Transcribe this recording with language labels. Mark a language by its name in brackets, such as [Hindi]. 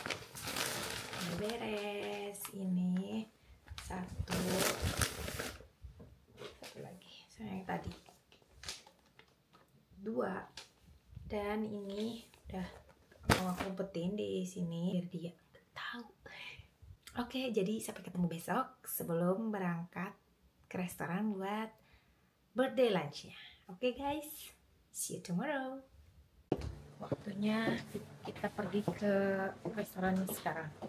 [Indonesian] Guys, beres ini satu lagi sama yang tadi, dua, dan ini udah mau aku petin di sini biar dia tahu. Oke, jadi sampai ketemu besok sebelum berangkat ke restoran buat birthday lunchnya. [English] Oke guys, see you tomorrow. [Indonesian] Waktunya kita pergi ke restoran sekarang.